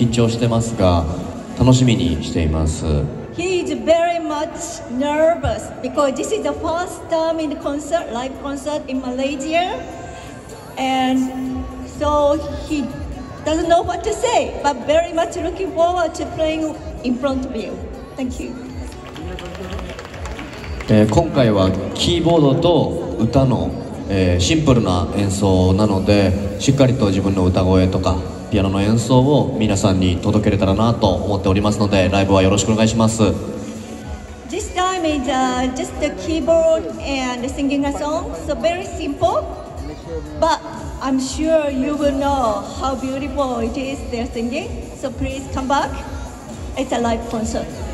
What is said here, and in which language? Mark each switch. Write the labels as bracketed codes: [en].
[ja] 初めてのマレーシアでのライブなので非常に緊張してますが楽しみにしています。 [en] He is very much nervous because this is the first time in concert, live concert in Malaysia, and so he doesn't know what to say, but very much looking forward to playing in front of you. Thank you. [ja] 今回はキーボードと歌のシンプルな演奏なので、しっかりと自分の歌声とかピアノの演奏を皆さんに届けれたらなと思っておりますので、ライブはよろしくお願いします。 [en] This time is just the keyboard and singing a song, so very simple. But I'm sure you will know how beautiful it is their singing. So please come back. It's a live concert.